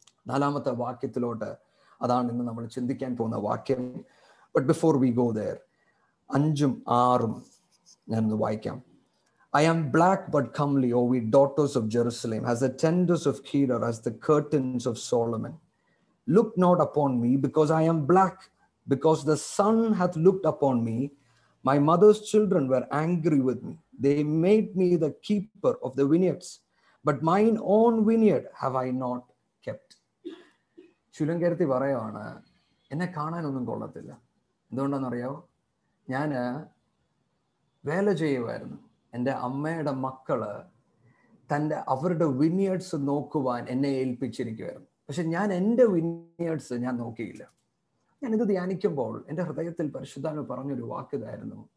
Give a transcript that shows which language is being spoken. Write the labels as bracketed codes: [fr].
[ml] നാലാമത്തെ വാക്യത്തിലോട്ട് അതാണ് ഇന്ന് നമ്മൾ ചിന്തിക്കാൻ പോകുന്ന വാക്യം. [en] but before we go there, 5-6 [ml] ഞാൻ ഒന്ന് വായിക്കാം. [en] I am black but comely, O we daughters of Jerusalem, as the tenders of Kedar, as the curtains of Solomon. look not upon me because I am black, because the sun hath looked upon me. My mother's children were angry with me. They made me the keeper of the vineyards, but mine own vineyard have I not kept. [ml] ശൂലങ്കരത്തി പറയുവാണ്, എന്നെ കാണാനൊന്നും കൊള്ളത്തില്ല. എന്തുകൊണ്ടാണെന്നറിയോ? ഞാൻ വേല ചെയ്യുമായിരുന്നു, എൻ്റെ അമ്മയുടെ മക്കള് തൻ്റെ അവരുടെ വിനിയേഡ്സ് നോക്കുവാൻ എന്നെ ഏൽപ്പിച്ചിരിക്കുമായിരുന്നു. പക്ഷെ ഞാൻ എൻ്റെ വിനിയേഡ്സ് ഞാൻ നോക്കിയില്ല. ഞാനിത് ധ്യാനിക്കുമ്പോൾ എൻ്റെ ഹൃദയത്തിൽ പരിശുദ്ധാത്മാവ് പറഞ്ഞൊരു വാക്കിതായിരുന്നു.